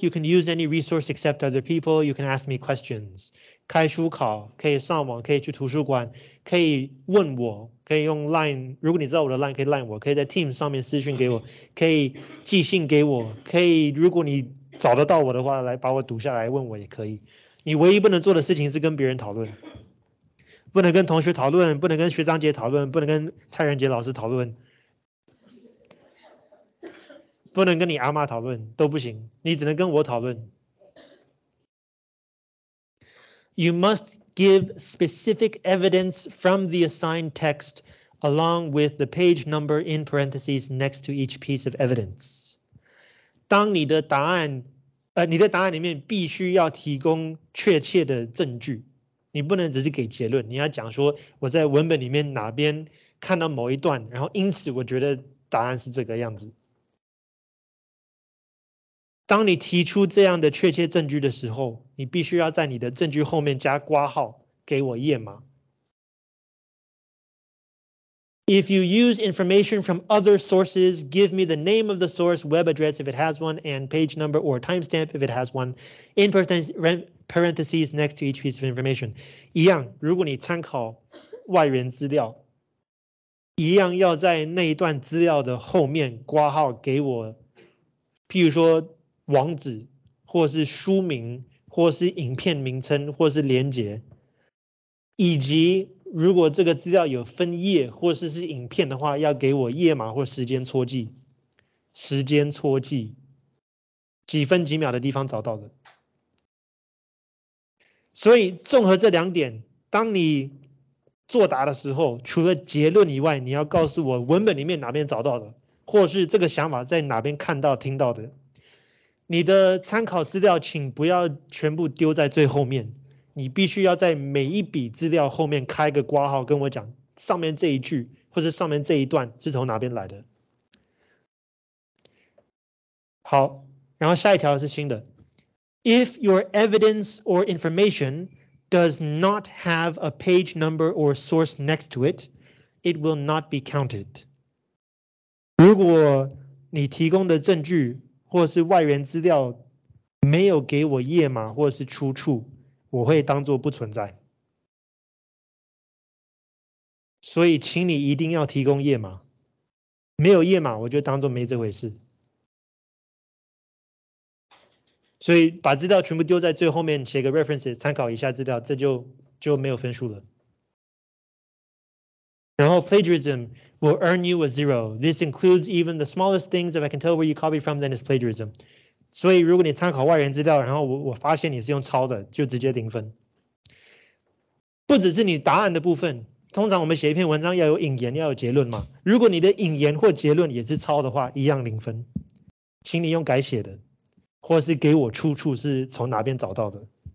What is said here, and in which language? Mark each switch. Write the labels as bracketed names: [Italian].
[English] You can use any resource except other people. You can ask me questions. [Chinese] 开书考可以上网，可以去图书馆，可以问我，可以用 Line， 如果你知道我的 Line 可以 Line 我，可以在 Team 上面私讯给我，可以寄信给我，可以如果你找得到我的话来把我读下来问我也可以。你唯一不能做的事情是跟别人讨论，不能跟同学讨论，不能跟学长姐讨论，不能跟蔡仁杰老师讨论，不能跟你阿妈讨论，都不行，你只能跟我讨论。 [English] You must give specific evidence from the assigned text along with the page number in parentheses next to each piece of evidence. [Chinese] 当你的答案，你的答案里面必须要提供确切的证据。你不能只是给结论，你要讲说我在文本里面哪边看到某一段，然后因此我觉得答案是这个样子。当你提出这样的确切证据的时候，你必须要在你的证据后面加括号给我页码。 [English] If you use information from other sources, give me the name of the source, web address if it has one, and page number or timestamp if it has one, in parentheses next to each piece of information. [Chinese] 一样，如果你参考外源资料，一样要在那一段资料的后面括号给我，譬如说网址，或是书名，或是影片名称，或是连结，以及如果这个资料有分页或者 是影片的话，要给我页码或时间戳记，时间戳记，几分几秒的地方找到的。所以综合这两点，当你作答的时候，除了结论以外，你要告诉我文本里面哪边找到的，或是这个想法在哪边看到听到的。你的参考资料请不要全部丢在最后面，你必须要在每一笔资料后面开个括号跟我讲上面这一句或者上面这一段是从哪边来的。好，然后下一条是新的。 [English] If your evidence or information does not have a page number or source next to it, it will not be counted. [Chinese] 如果你提供的证据或是外源资料没有给我页码或是出处，我会当作不存在，所以请你一定要提供页码，没有页码我就当作没这回事。所以把资料全部丢在最后面，写个 references 参考一下资料，这就没有分数了。然后 [English] plagiarism will earn you a zero. This includes even the smallest things. If I can tell where you copy from, then it's plagiarism. [Chinese] 所以如果你参考外源资料，然后我发现你是用抄的，就直接零分。不只是你答案的部分，通常我们写一篇文章要有引言，要有结论嘛。如果你的引言或结论也是抄的话，一样零分。请你用改写的，或是给我出处是从哪边找到的。